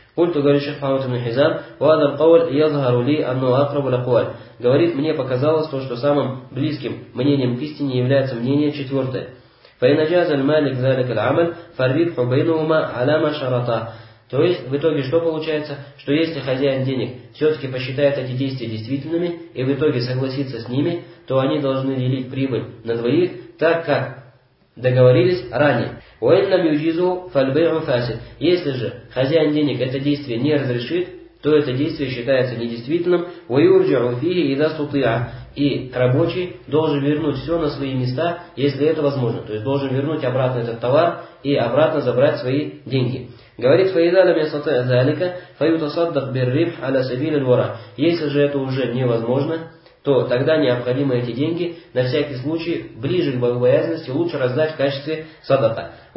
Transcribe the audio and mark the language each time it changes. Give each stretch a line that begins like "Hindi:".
Arabic: قلت
Russian: говорит шейх Мухаммад ибн Хизам
Arabic: وهذا القول يظهر لي أنه أقرب الأقوال
Russian: говорит мне показалось то что самым близким мнением к истине является мнение четвертое
Arabic: فإن جاز المالك ذلك العمل فالربح بينهما على ما شرطا
Russian: то есть в итоге что получается что если хозяин денег все-таки посчитает эти действия действительными и в итоге согласится с ними то они должны делить прибыль на двоих так как договорились ранее.
Arabic: وإن لم يجيزه فالبيع فاسد.
Russian: Если же хозяин денег это действие не разрешит, то это действие считается недействительным.
Arabic: ويرجع فيه إذا استطيع.
Russian: И рабочий должен вернуть все на свои места, если это возможно. То есть должен вернуть обратно этот товар и обратно забрать свои деньги. Говорит
Arabic: فإذا لم يستطع ذلك فيتصدق بالربح على سبيل الورع.
Russian: Если же это уже невозможно, то тогда необходимо эти деньги на всякий случай ближе к богобоязненности лучше раздать в качестве садака.